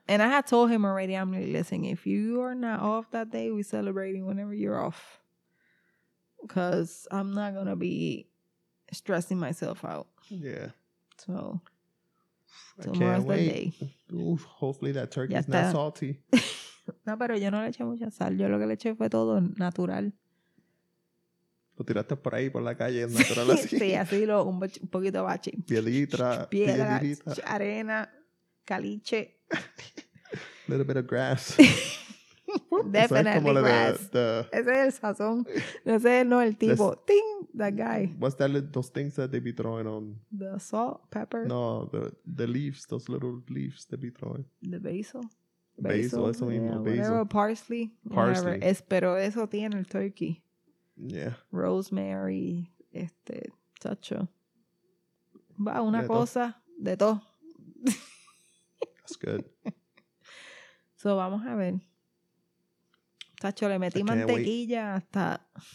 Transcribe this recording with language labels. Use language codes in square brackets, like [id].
[en] And I had told him already, I'm like, listen, if you are not off that day, we're celebrating whenever you're off. Because I'm not gonna be stressing myself out. Yeah. So... Tomorrow's the day. Oof, hopefully that turkey is not salty. [es] No, pero yo no le eché mucha sal. Yo lo que le eché fue todo natural. Lo tiraste por ahí, por la calle, natural así. Sí, así, un poquito bache. Piedra, arena, caliche. [en] A little bit of grass. [es] Definitely grass. Ese es el sazón. Ese es no el tipo. ¡Ting! That guy. [en] What's that? Those things that they be throwing on. The salt, pepper. No, the leaves. Those little leaves they be throwing. The basil. Basil. Eso mismo. Yeah, basil. Whatever. Parsley. Parsley. [es] Pero eso tiene el turkey. [en] Yeah. [es] Rosemary. Chacho. Va una de cosa todo. De todo. [en] That's good. [es] So vamos a ver. Chacho, le metí mantequilla hasta.